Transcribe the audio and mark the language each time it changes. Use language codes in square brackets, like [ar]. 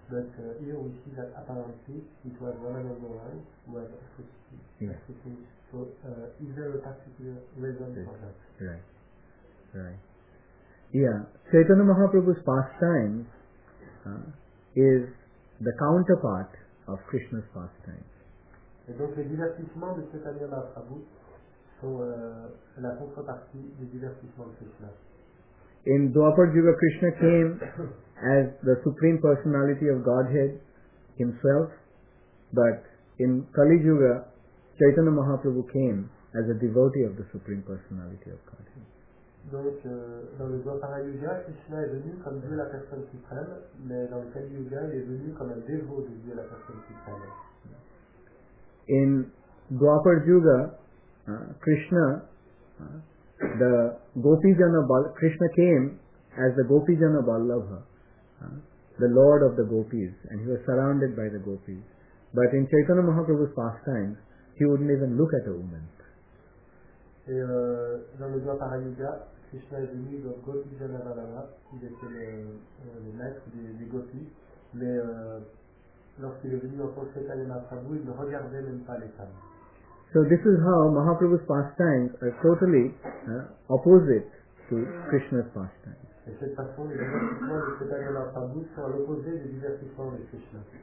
[en] But here we see that apparently it was one of the lines who had accepted. Yeah. So is there a particular reason for that? Right. Yeah. Chaitanya Mahaprabhu's pastime is the counterpart of Krishna's pastime. [fr] Et donc les divertissements de Chaitanya Mahaprabhu sont la contrepartie des divertissements de Krishna. [en] In Dwapar Yuga, Krishna came as the Supreme Personality of Godhead himself, but in Kali Yuga, Chaitanya Mahaprabhu came as a devotee of the Supreme Personality of Godhead. [fr] Donc, dans le Dwapara Yuga, Krishna est venu comme Dieu la Personne Suprême, mais dans le Kali Yuga, il est venu comme un dévot de Dieu la Personne Suprême. [en] In Dwapar Yuga, Krishna, the Gopijana Balabha, Krishna came as the Gopijana Balabha, the Lord of the Gopis, and he was surrounded by the Gopis. But in Chaitanya Mahaprabhu's pastimes, he wouldn't even look at a woman. [fr] Et dans le Dwapara Yuga, Krishna est venu donc Gopijana Balabha, qui était le maître des Gopis, mais lorsqu'il est venu en tant que Chaitanya Mahaprabhu, il ne regardait même pas les femmes. [en] So this is how Mahaprabhu's pastimes are totally opposite to Krishna's pastimes. [fr] Et cette façon, les divertissements de Chaitanya Mahaprabhu sont à l'opposé des divertissements de Krishna.